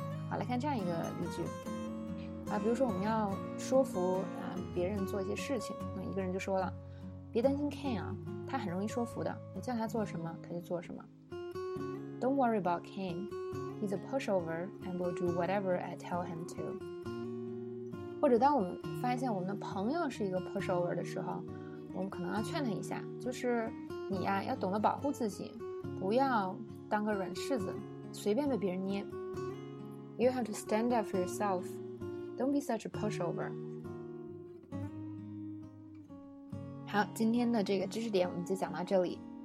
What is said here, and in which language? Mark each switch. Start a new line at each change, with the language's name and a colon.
Chinese: 好，来看这样一个例句比如说我们要说服别人做一些事情，那一个人就说了，别担心 Ken 啊，他很容易说服的，你叫他做什么他就做什么。
English: Don't worry about Ken. He's a pushover and will do whatever I tell him to.
Chinese: 或者当我们发现我们的朋友是一个 pushover 的时候，我们可能要劝他一下，就是你呀，要懂得保护自己，不要当个软柿子，随便被别人捏。
English: You have to stand up for yourself. Don't be such a pushover.
Chinese: 好，今天的这个知识点我们就讲到这里。